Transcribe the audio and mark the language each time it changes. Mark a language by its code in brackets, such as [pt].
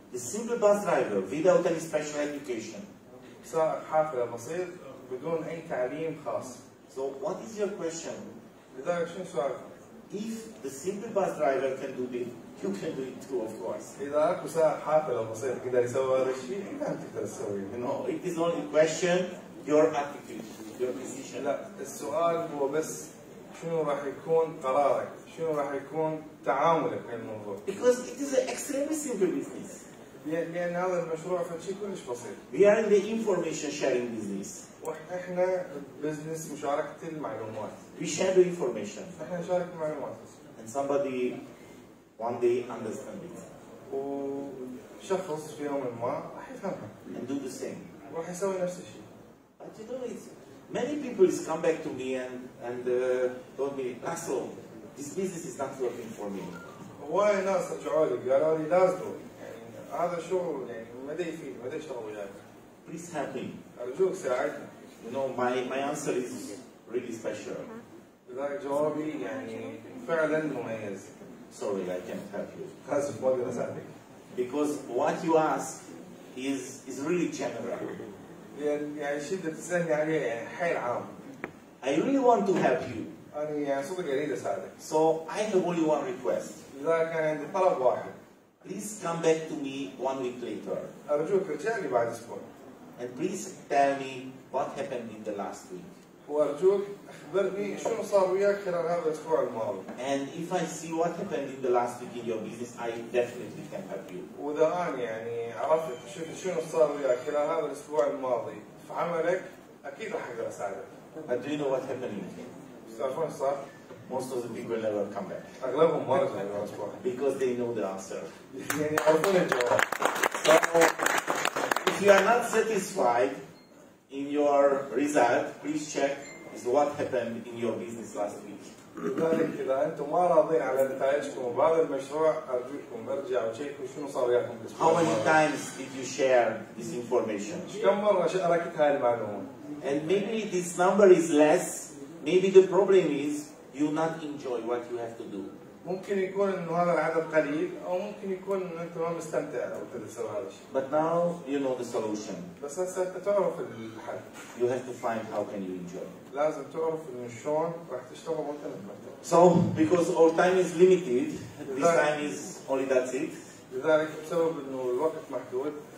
[en] The simple bus driver without any special education. [ar] سائق حافلة بسيط بدون أي تعليم خاص. [en] So what is your question? [ar] لذلك شو سؤالك؟ [en] If the simple bus driver can do it, you can do it too, of course. [ar] إذا أكو سائق حافلة بسيط قدر يسوي هذا الشيء، أنت تقدر تسوي. [en] No, it is only question your attitude, your decision. [ar] لا، السؤال هو بس شنو راح يكون قرارك؟ شنو راح يكون تعاملك في الموضوع؟ [en] Because it is an extremely simple business. [ar] لأن هذا المشروع فشي كلش بسيط. [en] We are in the information sharing business. [ar] وإحنا business مشاركة المعلومات. [en] We share the information. [ar] إحنا نشارك المعلومات. [en] And somebody one day understand it. [ar] وشخص في يوم ما راح يفهمها. [en] And do the same. [ar] راح يسوي نفس الشيء. [en] But you know it. Many people is come back to me and told me, Laszlo, this business is not working for me. [ar] هواي ناس رجعوا لي قالوا لي لازم هذا شغل يعني ما دي فيه ما دي شغل وياك. [en] Please help me. [ar] أرجوك ساعدني. [en] You know my answer is really special. [ar] لذلك جوابي يعني فعلا مميز. [en] Sorry I can't help you. [ar] خاسف ما أقدر أساعدك. [en] Because what you ask is really general. [ar] يعني شدة تسألني عليه يعني حيل عام. [en] I really want to help you. [ar] أنا يعني صدق أريد أساعدك. [en] So I have only one request. [ar] لذلك أنا عندي طلب واحد. [en] Please come back to me 1 week later. [ar] أرجوك ارجع لي بعد أسبوع. [en] And please tell me what happened in the last week. [ar] وأرجوك أخبرني شو صار وياك خلال هذا الأسبوع الماضي. [en] And if I see what happened in the last week in your business, I definitely can help you. [ar] وإذا أنا يعني عرفت شوف شو صار وياك خلال هذا الأسبوع الماضي في عملك أكيد راح أقدر أساعدك. [en] But do you know what happened in him? [ar] تعرفون صار؟ [en] Most of the people never come back. [ar] أغلبهم ما رجعوا الأسبوع. [en] Because they know the answer. [ar] يعني عرفون الجواب. [en] So if you are not satisfied in your result, please check is what happened in your business last week. [ar] لذلك إذا أنتم ما راضين على نتائجكم وبعض المشروع أرجوكم برجع وشيكوا شنو صار وياكم. [en] How many times did you share this information? [ar] كم مرة شاركت هاي المعلومة؟ [en] And maybe this number is less. Maybe the problem is you not enjoy what you have to do. [ar] ممكن يكون إنه هذا العدد قليل أو ممكن يكون إنه أنت ما مستمتع أو تسوي هذا الشيء. [en] But now you know the solution. [ar] بس هسه تعرف الحل. [en] You have to find how can you enjoy. [ar] لازم تعرف إنه شلون راح تشتغل وأنت مرتاح. [en] So because our time is limited, this time is only that's it. [ar] لذلك بسبب إنه الوقت محدود.